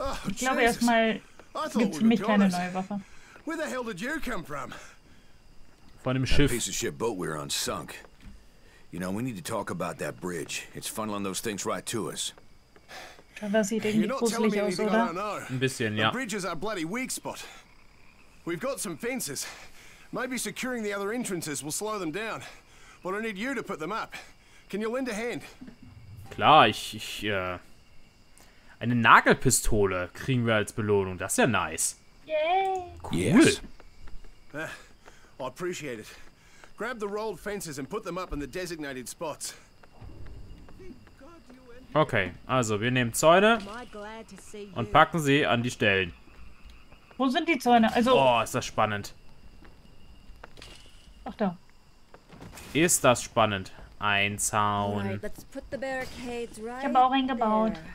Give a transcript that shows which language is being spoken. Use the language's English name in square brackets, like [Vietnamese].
[German] Ich glaube erstmal, es gibt für mich keine neue Waffe. [English] Wo the hell did you come from? [German] Von dem Schiff. [English] That piece of shit boat we're on sunk. You know, we need to talk about that bridge. It's funneling those things right to us. [German] Trevor sieht irgendwie gruselig aus, oder? Ein bisschen, ja. [English] The bridge is our bloody weak spot. We've got some fences. Maybe securing the other entrances will slow them down. But I need you to put them up. Can you lend a hand? [German] Klar, eine Nagelpistole kriegen wir als Belohnung. Das ist ja nice. Yay. [English] Cool. Yes. I appreciate it. Grab the rolled fences and put them up in the designated spots. [German] Okay, also wir nehmen Zäune und packen sie an die Stellen. Wo sind die Zäune? Also. Oh, ist das spannend. Ach da. Ist das spannend. Ein Zaun. Ich habe auch einen gebaut.